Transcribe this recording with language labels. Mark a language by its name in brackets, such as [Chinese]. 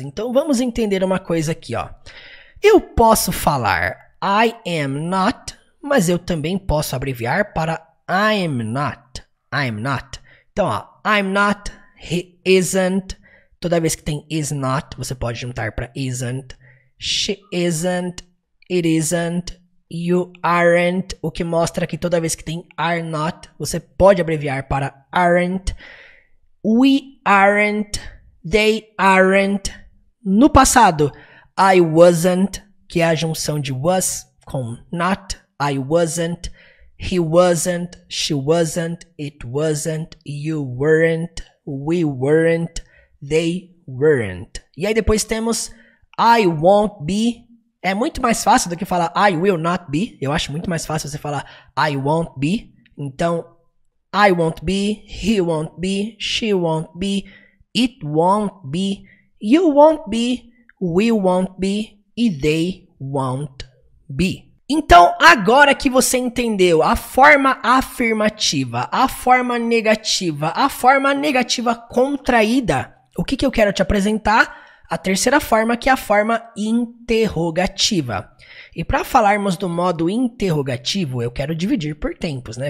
[Portuguese] Então vamos entender uma coisa aqui, ó. Eu posso falar [English] I am not, [Portuguese] mas eu também posso abreviar para I am not. I am not. Então, ó, [English] I'm not, he isn't. [Portuguese] Toda vez que tem is not, você pode juntar para isn't. [English] She isn't, it isn't, you aren't. [Portuguese] O que mostra que toda vez que tem are not, você pode abreviar para aren't. [English] We aren't, they aren't. [Portuguese] No passado, [English] I wasn't, [Portuguese] que é a junção de was com not. [English] I wasn't, he wasn't, she wasn't, it wasn't, you weren't, we weren't, they weren't. [Portuguese] E aí depois temos [English] I won't be. [Portuguese] É muito mais fácil do que falar [English] I will not be. [Portuguese] Eu acho muito mais fácil você falar [English] I won't be. Então, I won't be, he won't be, she won't be, it won't be, you won't be, we won't be e they won't be. [Portuguese] Então, agora que você entendeu a forma afirmativa, a forma negativa, a forma negativa contraída, o que que eu quero te apresentar? A terceira forma, que é a forma interrogativa. E para falarmos do modo interrogativo, eu quero dividir por tempos, né?